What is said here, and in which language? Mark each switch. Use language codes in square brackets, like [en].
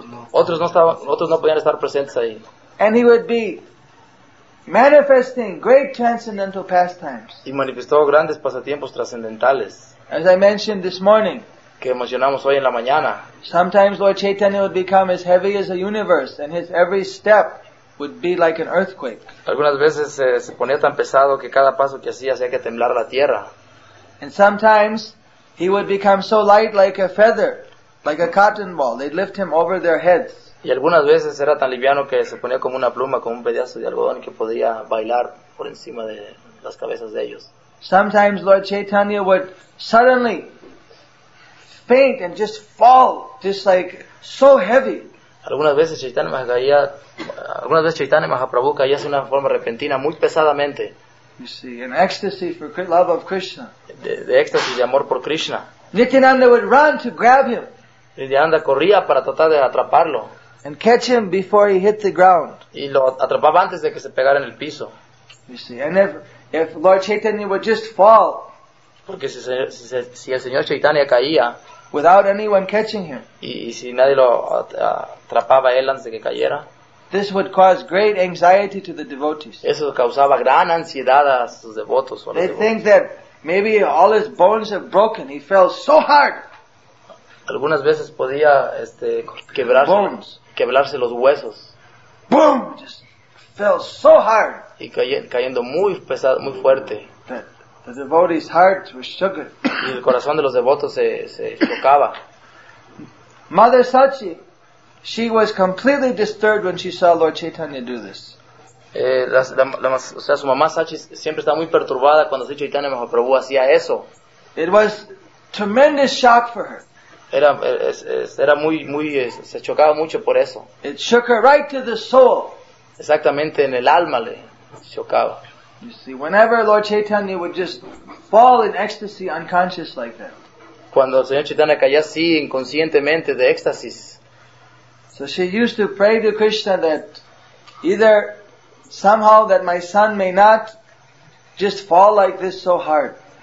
[es] otros no podían estar presentes ahí. [en] And he would be manifesting great transcendental pastimes. [es] Y manifestó grandes pasatiempos trascendentales. [en] As I mentioned this morning, [es] que mencionamos hoy en la mañana. [en] Sometimes Lord Chaitanya would become as heavy as a universe, and his every step would be like an earthquake. [es] Algunas veces se ponía tan pesado que cada paso que hacía hacía que temblara la tierra. [en] And sometimes he would become so light like a feather, like a cotton ball. They'd lift him over their heads. [es] Y algunas veces era tan liviano que se ponía como una pluma, como un pedazo de algodón que podía bailar por encima de las cabezas de ellos. [en] Sometimes Lord Chaitanya would suddenly faint and just fall, just like so heavy. [es] Algunas veces Chaitanya Mahaprabhu caía de una forma repentina, muy pesadamente. [en] You see, in ecstasy for love of Krishna. [es] De éxtasis de amor por Krishna. [en] Nityananda would run to grab him. [es] Nityananda corría para tratar de atraparlo. [en] And catch him before he hit the ground. [es] Y lo atrapaba antes de que se pegara en el piso. [en] You see, and if Lord Chaitanya would just fall. [es] Porque si el señor Chaitanya caía. [en] Without anyone catching him. [es] Y si nadie lo atrapaba él antes de que cayera. [en] This would cause great anxiety to the devotees. [es] Eso causaba gran ansiedad a sus devotos. [en] They think that maybe all his bones have broken. He fell so hard. [es] Algunas veces podía quebrarse los huesos. [en] Boom! Just fell so hard. [es] Y cayendo muy pesado, muy fuerte. [en] The devotees' hearts were shook. [es] Y el corazón de los devotos se chocaba. [en] Mother Sachi, she was completely disturbed when she saw Lord Chaitanya do this. [es] Su mamá Sachi siempre estaba muy perturbada cuando Sri Chaitanya Mahaprabhu hacía eso. [en] It was tremendous shock for her. [es] Era muy muy se chocaba mucho por eso. [en] It shook her right to the soul. [es] Exactamente en el alma le chocaba. [en] You see, whenever Lord Chaitanya would just fall in ecstasy unconscious like that. [es] Cuando el señor Chaitanya caía así inconscientemente de éxtasis. [en] So she used to pray to Krishna that either somehow that my son may not just fall like this so hard.